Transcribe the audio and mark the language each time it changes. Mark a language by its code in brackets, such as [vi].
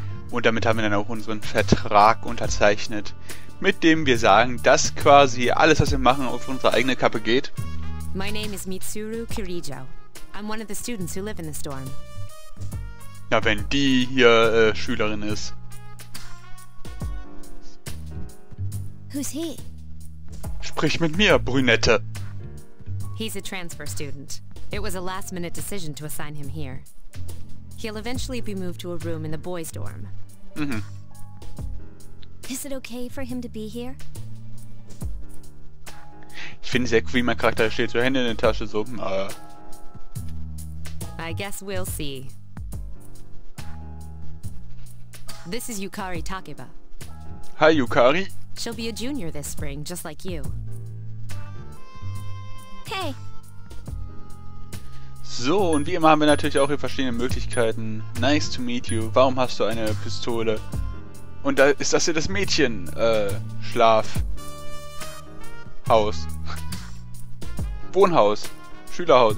[de] Und damit haben wir dann auch unseren Vertrag unterzeichnet, mit dem wir sagen, dass quasi alles, was wir machen, auf unsere eigene Kappe geht. [en] My name is Mitsuru Kirijo. I'm one of the students who live in the storm. [de] Na, wenn die hier Schülerin ist. [en] Who's he? [de] Sprich mit mir, Brünette. [en] He's a transfer student. It was a last-minute decision to assign him here. He'll eventually be moved to a room in the boys' dorm. Mhm. Is it okay for him to be here? [de] Ich finde sehr cool, wie mein Charakter steht, so Hände in der Tasche, so, [en] I guess we'll see. This is Yukari Takeba. Hi, Yukari. She'll be a junior this spring, just like you. Hey. [de] So, und wie immer haben wir natürlich auch hier verschiedene Möglichkeiten. [en] Nice to meet you. [de] Warum hast du eine Pistole? Und da ist das hier das Mädchen. Schlaf. Haus. Wohnhaus. Schülerhaus.